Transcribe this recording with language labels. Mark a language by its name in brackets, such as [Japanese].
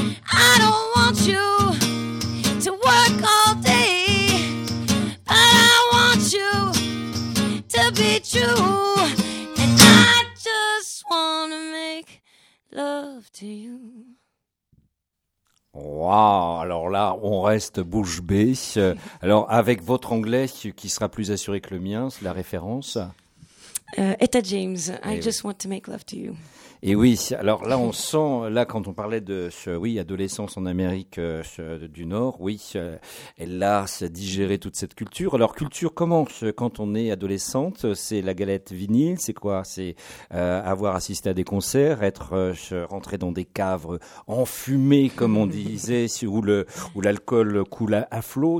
[English] I don't want you to work all day. But I want you to be true. And I just wanna make love to you. [French] Waouh, alors là, on reste bouche bée. Alors, avec votre anglais, qui sera plus assuré que le mien, c'est la référence. [English] Etta James, I just want to make love to you. [French] Et oui, alors là, on sent, là, quand on parlait de ce, oui, adolescence en Amérique du Nord, oui, elle a digéré toute cette culture. Alors, culture, comment, quand on est adolescente, c'est la galette vinyle, c'est quoi? C'est avoir assisté à des concerts, être rentré dans des caves enfumées, comme on disait, où l'alcool coule à flot.